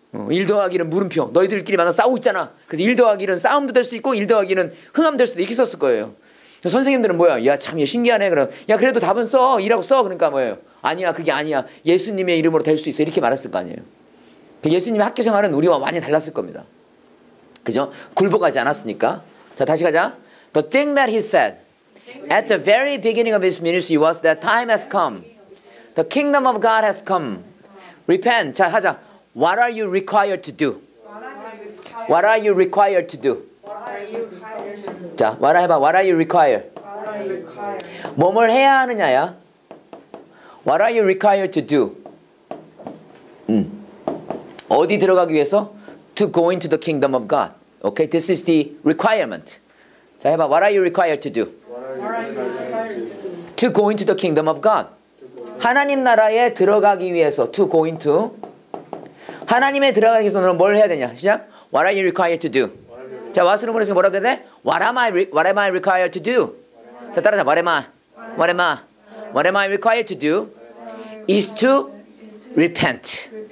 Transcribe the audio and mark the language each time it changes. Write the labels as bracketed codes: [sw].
[ko] 1 더하기 1은 물음표. 너희들끼리 만나 싸우고 있잖아. 그래서 1 더하기 1은 싸움도 될 수 있고 1 더하기 1은 흥함 될 수도 이렇게 썼을 거예요. 선생님들은 뭐야? 야, 참, 얘 신기하네. 야, 그래도 답은 써. 이라고 써. 그러니까 뭐예요? 아니야, 그게 아니야. 예수님의 이름으로 될 수 있어. 이렇게 말했을 거 아니에요. 예수님의 학교 생활은 우리와 많이 달랐을 겁니다. 그죠? 굴복하지 않았으니까. 자, 다시 가자. [en] The thing that he said at the very beginning of his ministry was that time has come. The kingdom of God has come. Repent. [ko] 자, 하자. [en] What are you required to do? What are you required to do? What are you required to do? [ko] 자, 말해봐. [en] What are you required? What are you required? [ko] 뭐뭘 해야 하느냐야? [en] What are you required to do? [ko] 어디 들어가기 위해서? [en] To go into the kingdom of God. Okay, this is the requirement. [ko] 자, 해봐. [en] What are you required to do? What are you required to do? To go into the kingdom of God. [ko] 하나님 나라에 들어가기 위해서. [en] To go into. [ko] 하나님에 들어가기 위해서 너는 뭘 해야 되냐? 시작. [en] What are you required to do? [ko] 자, 와스로 보내서 뭐라고 해야 돼? [en] What am I required to do? [ko] 자, 따라하자. [en] What am I required to do? Is to repent.